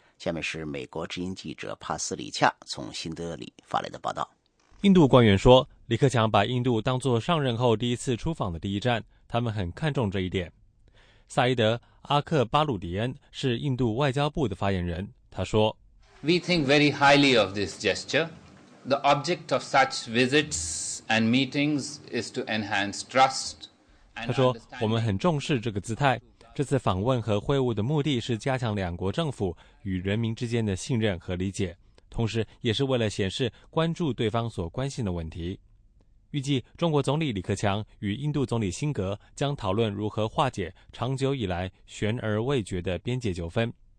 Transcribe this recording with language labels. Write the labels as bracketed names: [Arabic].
[Chinese] 下面是美国之音记者帕斯里恰从新德里发来的报道。印度官员说，李克强把印度当作上任后第一次出访的第一站，他们很看重这一点。萨伊德·阿克巴鲁迪恩是印度外交部的发言人，他说 [English] We think very highly of this gesture. The object of such visits and meetings is to enhance trust. [Chinese] 他说，我们很重视这个姿态，这次访问和会晤的目的是加强两国政府与人民之间的信任和理解，同时也是为了显示关注对方所关心的问题。预计中国总理李克强与印度总理辛格将讨论如何化解长久以来悬而未决的边界纠纷。